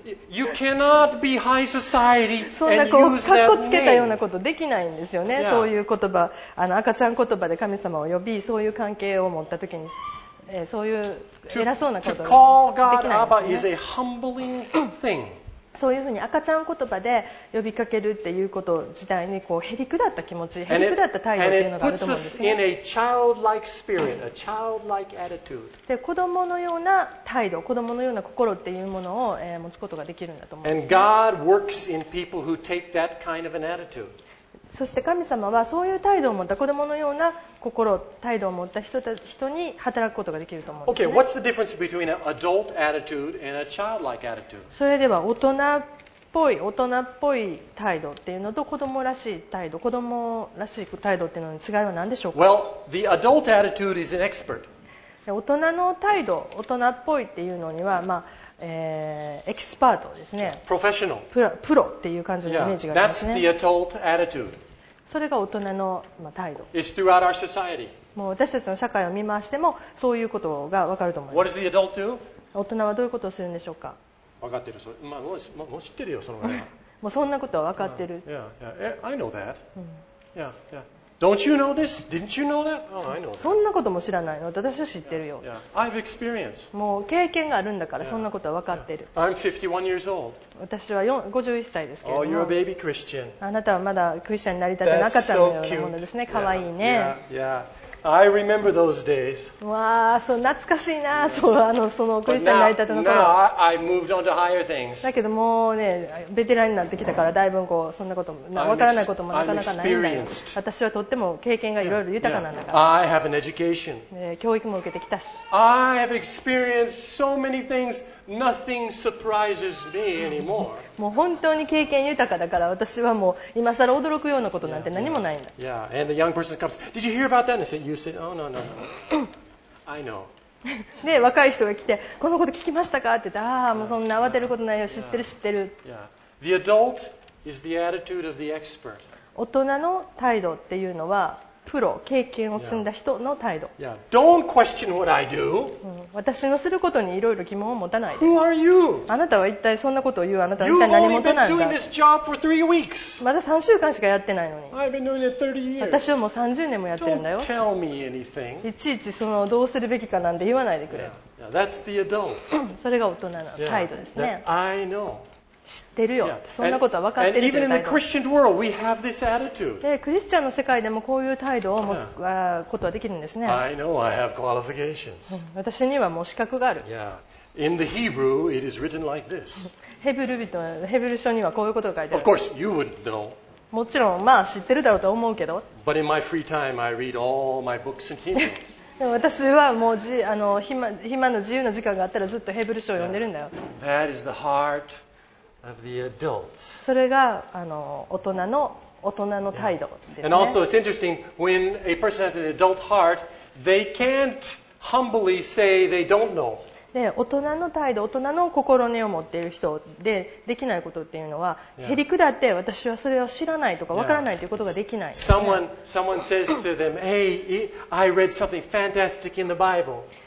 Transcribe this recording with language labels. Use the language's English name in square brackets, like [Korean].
[English] You cannot be high society and use that name. [Japanese] そんなこうカッコつけたようなことできないんですよね。そういう言葉、あの赤ちゃん言葉で神様を呼び、そういう関係を持った時に。そういう偉そうなことができないんですね。 [English] To call God Abba is a humbling thing. [Japanese] そういうふうに赤ちゃん言葉で呼びかけるっていうこと自体にこうへりくだった気持ち、へりくだった態度っていうのがあると思うんですね。 [English] And it puts us in a childlike spirit, a childlike attitude. [Japanese] で子供のような態度、子供のような心っていうものを、持つことができるんだと思うんですね。 [English] And God works in people who take that kind of an attitude. [Japanese] そして神様はそういう態度を持った子供のような心、態度を持った 人に働くことができると思うんですね。 [English] Okay, what's the difference between an adult attitude and a childlike attitude? [Japanese] それでは大人っぽい態度っていうのと子供らしい態度、子供らしい態度っていうのの違いは何でしょうか? [English] Well, the adult attitude is an expert. [Japanese] 大人の態度、大人っぽいっていうのには、まあエキスパートですね。 [English] Professional. [Japanese] プロっていう感じのイメージがありますね。 [English] Yeah, that's the adult attitude. [Japanese] それが大人の態度。 [English] It's throughout our society. [Japanese] もう私たちの社会を見回してもそういうことが分かると思います。 [English] What does the adult do? [Japanese] 大人はどういうことをするんでしょうか。分かってる。まあ、もう知ってるよ、その方が。もうそんなことは分かってる。 [English] I know that. Yeah, yeah. Don't you know this? Didn't you know that? Oh, I know that. [Japanese] そんなことも知らないの。私は知ってるよ。 [English] Yeah, yeah. I've experienced. [Japanese] もう経験があるんだから、そんなことは分かってる。 [English] Yeah, yeah. I'm 51 years old. [Japanese] 私は51歳ですけれども、 [English] oh, you're a baby Christian. [Japanese] あなたはまだクリスチャンになりたての赤ちゃんのようなものですね。かわいいね。 [English] Yeah, yeah, yeah. I remember those days. [Japanese] わあ、そう懐かしいな、そう、あの、そのクリスチャンになりたての頃。 [English] But now I moved on to higher things. [Japanese] だけどもうね、ベテランになってきたから、だいぶこうそんなこと、わからないこともなかなかないんだよ。私はとっても経験がいろいろ豊かなんだから。 [English] Yeah, yeah. I have an education. [Japanese] 教育も受けてきたし。 [English] I have experienced so many things. Nothing surprises me anymore. [Japanese] もう本当に経験豊かだから私はもう今更驚くようなことなんて何もないんだ。 [English] Yeah, yeah. yeah. And the young person comes. Did you hear about that? And said, you said, oh no, no, no. I know. [Japanese] で若い人が来てこのこと聞きましたかって言って、ああもうそんな慌てることないよ、知ってる知ってる。 [English] Yeah. Yeah. The adult is the attitude of the expert. [Japanese] 大人の態度っていうのは。プロ、経験を積んだ人の態度。 [English] Yeah. Yeah. Don't question what I do. [Japanese] 私のすることにいろいろ疑問を持たないで。 [English] Who are you? [Japanese] あなたは一体そんなことを言う、あなたは一体何者なんだ。 [English] You've only been doing this job for three weeks. [Japanese] まだ3週間しかやってないのに。 [English] I've been doing it 30 years. [Japanese] 私はもう30年もやってるんだよ。 [English] Don't tell me anything. [Japanese] いちいちそのどうするべきかなんて言わないでくれ。 [English] Yeah. Yeah. That's the adult. [Japanese] それが大人の態度ですね。 [English] Yeah. I know. [Japanese] 知ってるよ、そんなことは分かってるよ。 [English] And even in the Christian world, we have this attitude. [Japanese] でクリスチャンの世界でもこういう態度を持つことはできるんですね。 [English] I know I have qualifications. [Japanese] 私にはもう資格がある。 [English] Yeah. In the Hebrew, it is written like this. [Japanese] ヘブル書にはこういうことが書いてある。 [English] Of course, you wouldn't know. [Japanese] もちろん、まあ知ってるだろうと思うけど。 [English] But in my free time, I read all my books in Hebrew. [Japanese] 私はもうあの 暇の自由な時間があったらずっとヘブル書を読んでるんだよ。 [English] That is the heart. Of the adults. [Japanese] それがあの大人の態度ですね。 [English] And also, it's interesting when a person has an adult heart, they can't humbly say they don't know. [Japanese] で、大人の態度、大人の心根を持っている人でできないことっていうのは、へりくだって私はそれを知らないとかわからないということができない。 [English] Someone says to them, "Hey, I read something fantastic in the Bible."